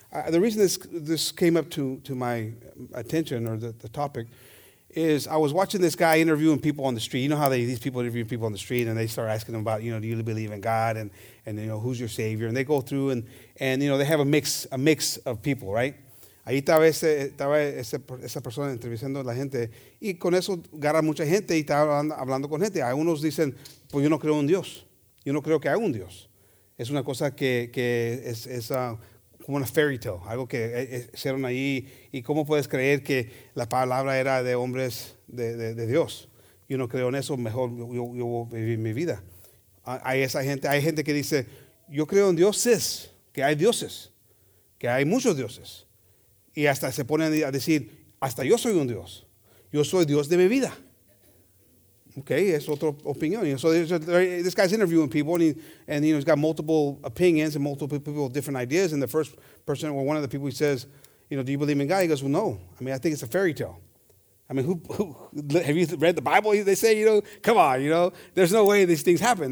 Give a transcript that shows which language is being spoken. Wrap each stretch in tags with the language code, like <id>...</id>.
<en>The reason this came up to my attention, or the topic, is I was watching this guy interviewing people on the street. You know how these people interview people on the street, and they start asking them about, you know, do you believe in God, and you know, who's your savior, and they go through, and you know, they have a mix of people, right?</en> <es>Ahí estaba esa persona entrevistando a la gente, y con eso agarra mucha gente y estaba hablando con gente. Algunos dicen, pues yo no creo en Dios. Yo no creo que haya un Dios. Es una cosa que es como una fairy tale, algo que hicieron ahí. ¿Y cómo puedes creer que la palabra era de hombres de Dios? Yo no creo en eso, mejor yo voy a vivir mi vida. Hay gente que dice, yo creo en dioses, que hay dioses, que hay muchos dioses. Y hasta se ponen a decir, hasta yo soy un Dios. Yo soy Dios de mi vida. Okay, es otra opinión.</es> <en>So this guy's interviewing people, and you know, he's got multiple opinions and multiple people with different ideas. And the first person, or one of the people, he says, you know, do you believe in God? He goes, well, no. I mean, I think it's a fairy tale. I mean, who have you read the Bible? They say, you know, come on, you know, there's no way these things happen.</en>